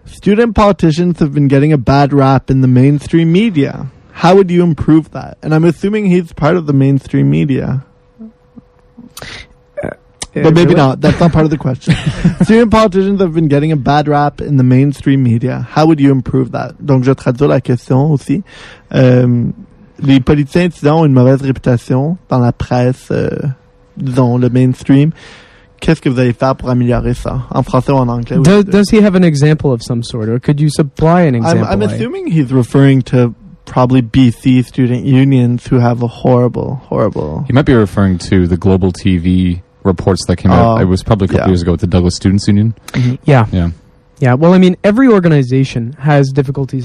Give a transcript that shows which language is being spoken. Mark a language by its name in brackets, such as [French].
[English] Student politicians have been getting a bad rap in the mainstream media. How would you improve that? And I'm assuming he's part of the mainstream media. But maybe not. That's not part of the question. Student politicians have been getting a bad rap in the mainstream media. How would you improve that? [French] Donc, je traduis la question aussi. Les politiciens, disons, ont une mauvaise réputation dans la presse, disons, le mainstream. Qu'est-ce que vous allez faire pour améliorer ça? En français ou en anglais? [English] Does he have an example of some sort? Or could you supply an example? I'm assuming he's referring to probably BC student unions who have a horrible, horrible... He might be referring to the Global TV... reports that came out. It was probably a couple years ago with the Douglas Students Union. Mm-hmm. Yeah. Yeah. Yeah. Well, I mean, every organization has difficulties.